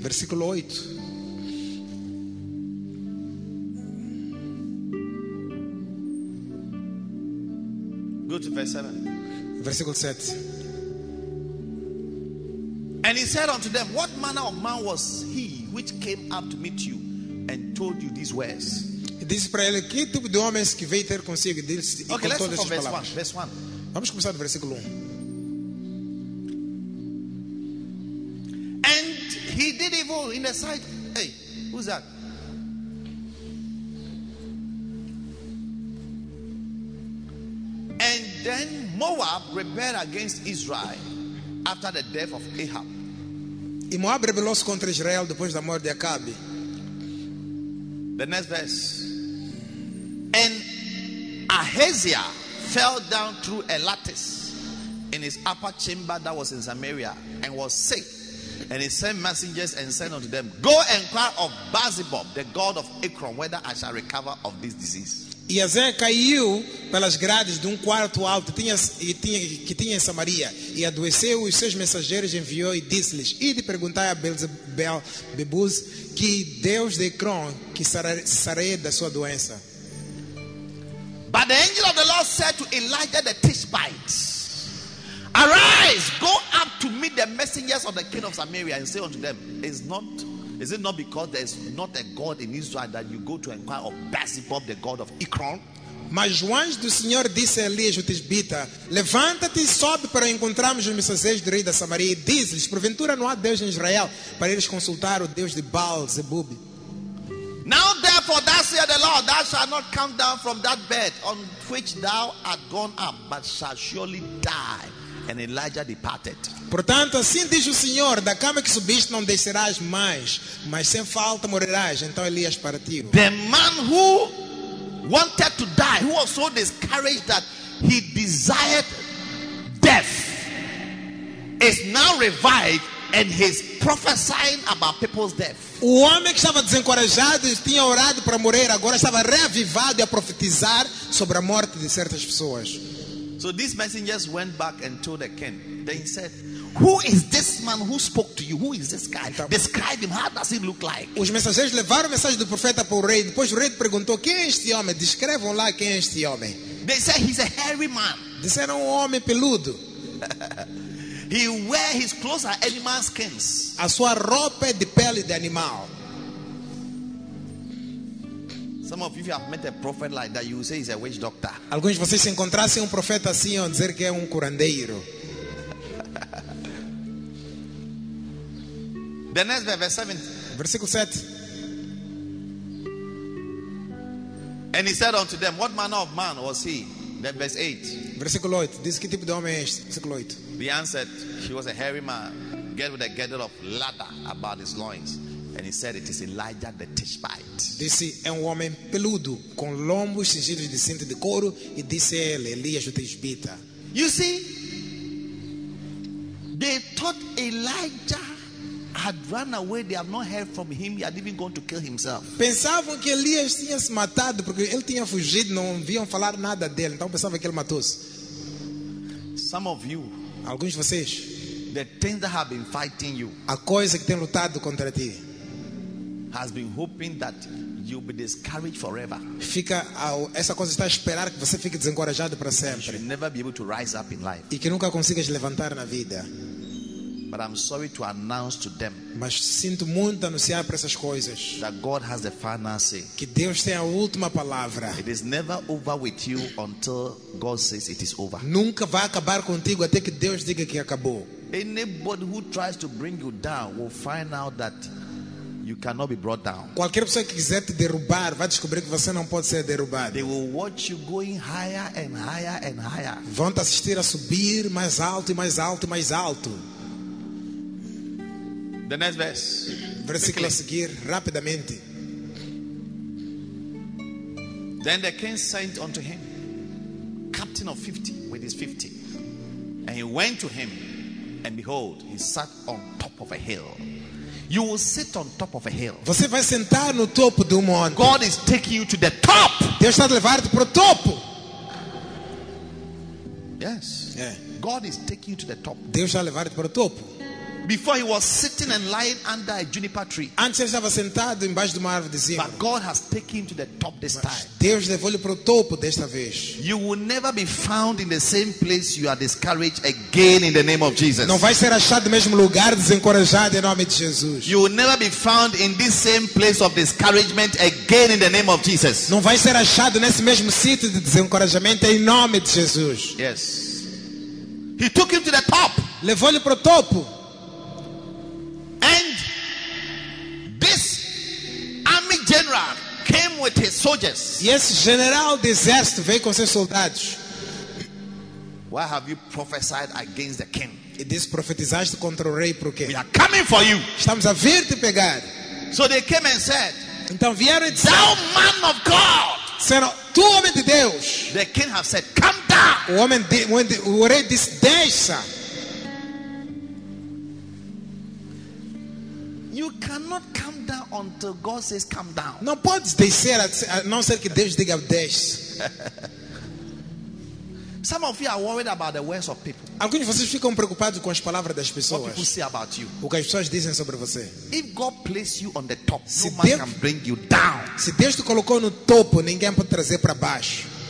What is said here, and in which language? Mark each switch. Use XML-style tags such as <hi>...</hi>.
<pt>versículo 8.</pt> <en>Go to verse 7.</en> <pt>Versículo 7.</pt> <en>And he said unto them, what manner of man was he which came up to meet you and told you these words.</en> <pt>Disse para ele que tipo de homens que veio ter consigo disse e okay, com todas essas palavras.</pt> <en>Verse one.</en> <pt>Vamos começar no versículo 1.</pt> <en>And he did evil in the sight. Hey, who's that? And then Moab rebelled against Israel after the death of Ahab.</en> <pt>E Moab rebelou-se contra Israel depois da morte de Acabe.</pt> <en>The next verse. And Ahaziah fell down through a lattice in his upper chamber that was in Samaria and was sick. And he sent messengers and said unto them, go inquire of Baal-zebub, the god of Ekron, whether I shall recover of this disease.</en> <pt>E Ahaziah caiu pelas grades de quarto alto que tinha em Samaria e adoeceu, e seus mensageiros enviou e disse-lhes, ide perguntar a Beelzebub, que deus de Ekron, que sarei da sua doença.</pt> <en>But the angel of the Lord said to Elijah the Tishbite, arise, go up to meet the messengers of the king of Samaria and say unto them, is it not because there is not a god in Israel that you go to inquire of Baal-zebub, the god of Ekron?</en> <pt>Mas o anjo do Senhor disse a Elias o Tisbita, levanta-te e sobe para encontrarmos os mensageiros do rei da Samaria e diz-lhes, porventura não há Deus em Israel para eles consultar o Deus de Baal-zebub?</pt> <en>Now therefore, thus saith the Lord, thou shalt not come down from that bed on which thou art gone up, but shalt surely die. And Elijah departed.</en> <pt>Portanto, assim diz o Senhor, da cama que subiste não descerás mais, mas sem falta morrerás. Então Elias partiu.</pt> <en>The man who wanted to die, who was so discouraged that he desired death, is now revived. And he's prophesying about people's death.</en> <pt>O homem que estava desencorajado e tinha orado para morrer, agora estava reavivado e a profetizar sobre a morte de certas pessoas.</pt> <en>So these messengers went back and told the king. Then he said, who is this man who spoke to you? Who is this guy? Então, describe him. How does he look like?</en> <pt>Os mensageiros levaram a mensagem do profeta para o rei. Depois o rei perguntou, quem é este homem? Descrevam lá quem é este homem.</pt> <en>They said he's a hairy man.</en> <pt>Disseram um homem peludo.</pt> <en>He wear his clothes are animal skins.</en> <pt>A sua roupa é de pele de animal.</pt> <en>Some of you have met a prophet like that, you say he's a witch doctor.</en> <pt>Alguns de vocês se encontrassem um profeta assim, iam dizer que é um curandeiro.</pt> <en>The next verse, verse 7.</en> <pt>Versículo 7.</pt> <en>And he said unto them, what manner of man was he? Then verse 8.</en> <pt>Versículo 8. Diz que tipo de homem é este? Versículo 8.</pt> <en>He answered, he was a hairy man, girded with a girdle of leather about his loins. And he said, it is Elijah the Tishbite.</en> <pt>Disse, é um homem peludo, com lombos cingidos de cinto de couro. E disse ele, Elias o Tishbita.</pt> <en>You see, they thought Elijah had run away. They have not heard from him. He had even gone to kill himself.</en> <pt>Pensavam que Elias tinha se matado porque ele tinha fugido. Não viam falar nada dele. Então pensavam que ele matou-se.</pt> <en>Some of you,</en> <pt>alguns de vocês,</pt> <en>the things that have been fighting you,</en> <pt>a coisa que tem lutado contra ti,</pt> <en>has been hoping that you'll be discouraged forever.</en> <pt>Fica essa coisa está a esperar que você fique desencorajado para sempre.</pt> <en>You'll never be able to rise up in life.</en> <pt>E que nunca consigas levantar na vida.</pt> <en>But I'm sorry to announce to them.</en> <pt>Mas sinto muito anunciar para essas coisas.</pt> <en>That God has the final say.</en> <pt>Que Deus tem a última palavra.</pt> <en>It is never over with you until God says it is over.</en> <pt>Nunca vai acabar contigo até que Deus diga que acabou.</pt> <en>Anybody who tries to bring you down will find out that you cannot be brought down.</en> <pt>Qualquer pessoa que quiser te derrubar vai descobrir que você não pode ser derrubado.</pt> <en>They will watch you going higher and higher and higher.</en> <pt>Vão te assistir a subir mais alto e mais alto e mais alto.</pt> <en>The next verse.</en> <pt>Versículo a seguir, rapidamente.</pt> <en>Then the king sent unto him captain of 50 with his 50. And he went to him, and behold, he sat on top of a hill. You will sit on top of a hill.</en> <pt>Você vai sentar no topo de um monte.</pt> <en>God is taking you to the top.</en> <pt>Deus está levando para o topo. Yes. Yeah.</pt> <en>God is taking you to the top.</en> <pt>Deus está levando para o topo.</pt> <en>Before he was sitting and lying under a juniper tree.</en> <pt>Antes estava sentado embaixo de uma árvore de zimbro.</pt> <en>But God has taken him to the top this time.</en> <pt>Deus levou-lhe para o topo desta vez.</pt> <en>You will never be found in the same place you are discouraged again in the name of Jesus.</en> <pt>Não vai ser achado no mesmo lugar desencorajado em nome de Jesus.</pt> <en>You will never be found in this same place of discouragement again in the name of Jesus.</en> <pt>Não vai ser achado nesse mesmo sítio de desencorajamento em nome de Jesus.</pt> <en>Yes. He took him to the top.</en> <pt>Levou-lhe para o topo.</pt> <en>And this army general came with his soldiers.</en> <pt>E esse general do exército veio com seus soldados.</pt> <en>Why have you prophesied against the king?</en> <pt>E disse, profetizaste contra o rei, por quê?</pt> <en>We are coming for you.</en> <pt>Estamos a vir te pegar.</pt> <en>So they came and said,</en> <pt>então vieram e</pt> <en>disseram, thou man of God.</en> <pt>Senhor, tu homem de Deus.</pt> <en>The king have said, come down.</en> <pt>O rei disse, deixa.</pt> <en>You cannot come down until God says come down.</en> <pt>Não podes descer, não ser que Deus diga desce.</pt> <en>Some of you are worried about the words of people.</en> <pt>Alguns de vocês ficam preocupados com as palavras das pessoas.</pt> <en>What people say about you.</en> <pt>O que as pessoas dizem sobre você.</pt> <en>If God placed you on the top, se no Deus, man can bring you down.</en> <pt>Se Deus te colocou no topo, ninguém pode trazer para baixo.</pt>